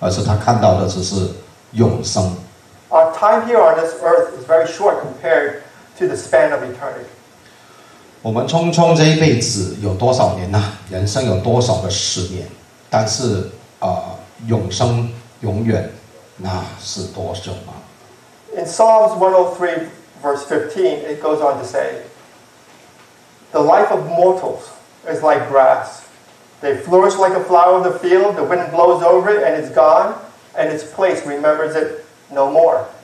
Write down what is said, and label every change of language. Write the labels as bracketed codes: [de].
[zh] 所以使徒保罗看的就是不是他将死、将会受到痛苦的折磨，而是他看到的只是永生。 [en] Our time here on this earth is very short compared to the span of eternity. [zh] 我们匆匆这一辈子有多少年呢？人生有多少个十年？但是，永生永远，那是多久吗？ [en] In Psalms 103, verse 15, it goes on to say, "The life of mortals is like grass. They flourish like a flower of the field. The wind blows over it, and it's gone, and its place remembers it no more."